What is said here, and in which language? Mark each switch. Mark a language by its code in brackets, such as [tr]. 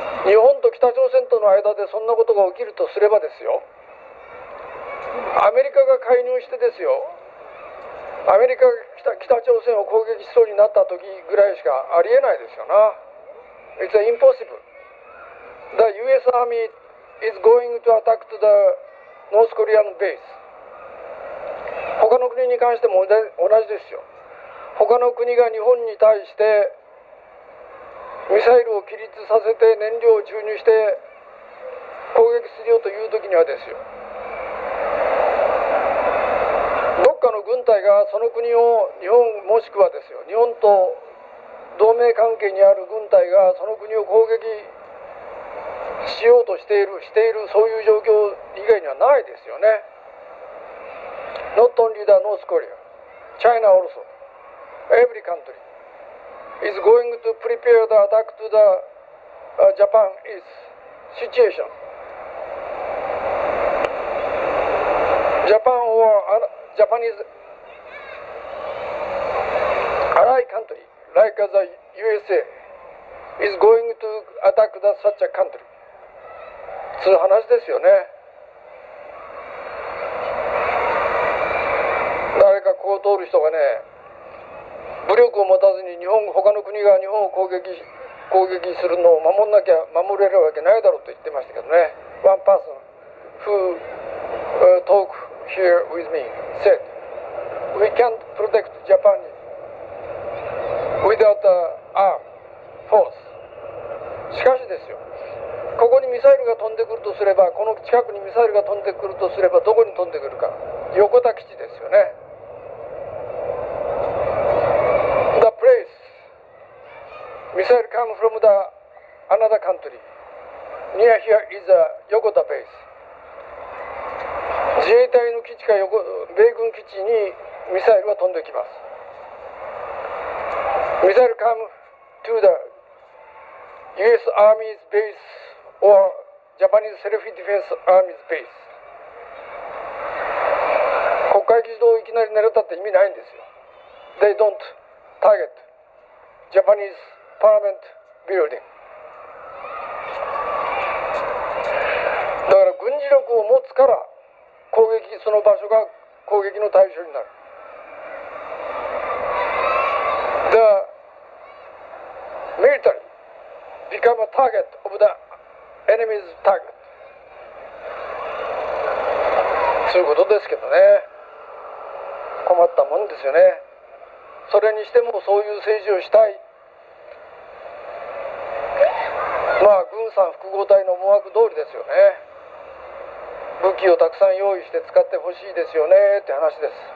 [ja] 日本と北朝鮮との間でそんなことが起きるとすればですよ、アメリカが介入してですよ、アメリカが北朝鮮を攻撃しそうになった時ぐらいしかありえないですよな。 [en] It's impossible. The US Army is going to attack to the North Korean base. [ja] 他の国に関しても同じですよ。他の国が日本に対してミサイルを起立させて燃料を注入して攻撃するよという時にはですよ、どっかの軍隊がその国を日本もしくはですよ日本と同盟関係にある軍隊がその国を攻撃しようとしているそういう状況以外にはないですよね。 [en] Not only the North Korea China also Every countryis going to prepare the attack to the Japan is situation. Japan ジャパニーズアライカントリー like the USA is going to attack the such a country [ja] つう話ですよね。誰かここを通る人がね、武力を持たずに日本、他の国が日本を攻撃するのを守んなきゃ守れるわけないだろうと言ってましたけどね。 [en] One person who talked here with me said we can't protect Japan without an arm force。 [ja] しかしですよ、ここにミサイルが飛んでくるとすれば、この近くにミサイルが飛んでくるとすれば、どこに飛んでくるか、横田基地ですよね。 [en] ミサイル come from the another country. Near here is a Yokota base. [ja] 自衛隊の基地か米軍基地にミサイルは飛んできます。 [en] ミサイル come to the US Army's base or Japanese Self-Defense Army's base. [ja] 国会議事堂をいきなり狙ったって意味ないんですよ。 [en] They don't target Japanese. Parliament building。 [ja] だから軍事力を持つから攻撃、その場所が攻撃の対象になる。 [en] The military become a target of the enemy's target。 [ja] そういうことですけどね、困ったもんですよね。それにしてもそういう政治をしたい、まあ軍産複合体の思惑通りですよね。武器をたくさん用意して使ってほしいですよねって話です。